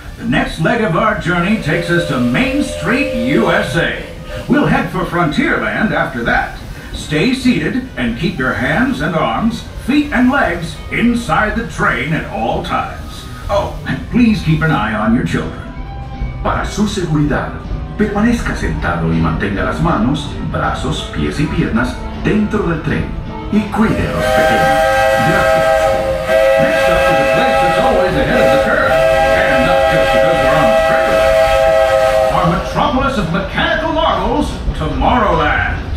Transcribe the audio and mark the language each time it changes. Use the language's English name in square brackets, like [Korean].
[English] The next leg of our journey takes us to Main Street, USA. We'll head for Frontierland after that. Stay seated and keep your hands and arms, feet and legs inside the train at all times. Oh, and please keep an eye on your children. [Spanish] Para su seguridad, permanezca sentado y mantenga las manos, brazos, pies y piernas dentro del tren. Y cuide a los pequeños. Gracias. [English] Next up is a place that's always ahead of the curve. And not just because we're on the train. Our metropolis of mechanical marvels, Tomorrowland.